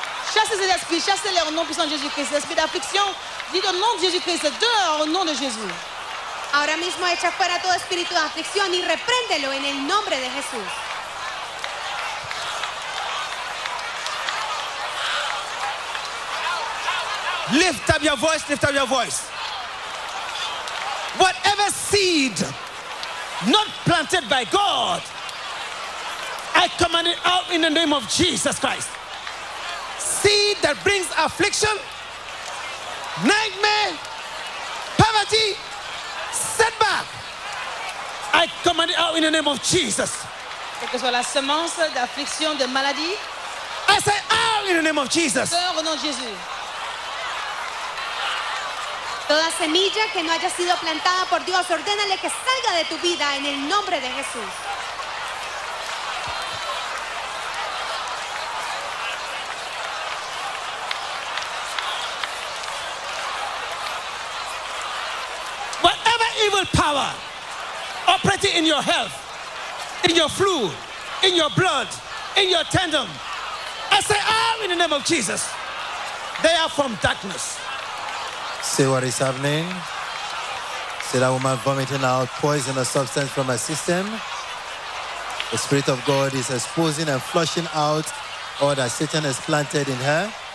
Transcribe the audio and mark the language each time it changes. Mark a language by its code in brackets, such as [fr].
[fr] Chassez ces esprits, chassez-les au nom puissant de Jésus Christ. L'esprit d'affliction, dit au nom de Jésus Christ, dehors au nom de Jésus. [es] Ahora mismo echa fuera todo espíritu de aflicción y repréndelo en el nombre de Jesús. [en] Lift up your voice, lift up your voice. Whatever seed not planted by God, I command it out in the name of Jesus Christ. Seed that brings affliction, nightmare, poverty, setback, I command it out in the name of Jesus. [fr] que soit la semence d'affliction, de maladie. [en] I say, out in the name of Jesus. [fr] Sort au nom de Jésus. [es] Toda semilla que no haya sido plantada por Dios, ordénale que salga de tu vida en el nombre de Jesús. [en] Whatever evil power operating in your health, in your flu, in your blood, in your tendon, I say, oh, in the name of Jesus, they are from darkness. Say what is happening. Say that woman vomiting out poisonous substance from her system. The Spirit of God is exposing and flushing out all that Satan has planted in her.